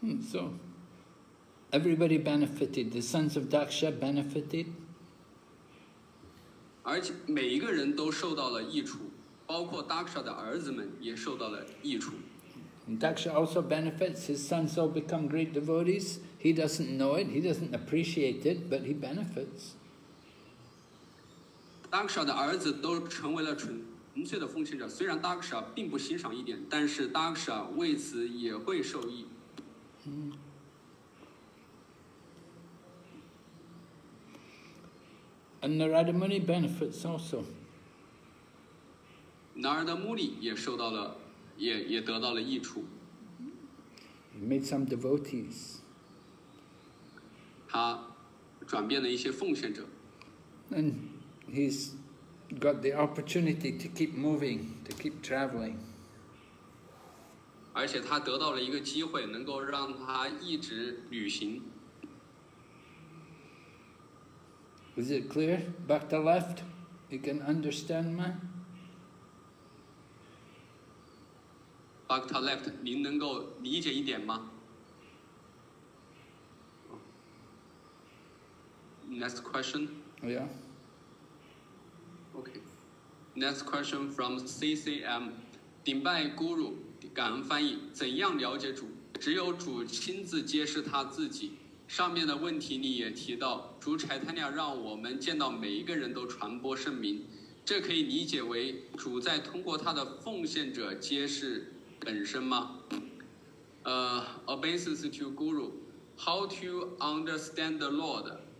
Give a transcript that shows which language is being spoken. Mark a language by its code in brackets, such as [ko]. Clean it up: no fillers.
[en] So everybody benefited. The sons of Daksha benefited. [zh] 而且每一个人都受到了益处，包括 Daksha 的儿子们也受到了益处。 [en] Daksha also benefits. His sons all become great devotees. He doesn't know it. He doesn't appreciate it, but he benefits. [zh] Daksha 的儿子都成为了纯粹的奉献者，虽然 Daksha 并不欣赏一点，但是 Daksha 为此也会受益。 [en] And Narada Muni benefits also. [zh] Narada Muni 也受到了，也得到了益处。 [en] Made some devotees. [zh] 他转变了一些奉献者。 [en] And he's got the opportunity to keep moving, to keep traveling. [zh] 而且他得到了一个机会，能够让他一直旅行。 [en] Is it clear? Back to left. You can understand, man. [zh] Back to left. 您能够理解一点吗？ [en] Next question. Yeah. Okay. Next question from CCM. [zh] 顶拜 Guru, 感恩翻译，怎样了解主？只有主亲自揭示他自己。上面的问题里也提到，主柴坦尼亚让我们见到每一个人都传播圣名，这可以理解为主在通过他的奉献者揭示本身吗？ [en] Obeisance to Guru, how to understand the Lord?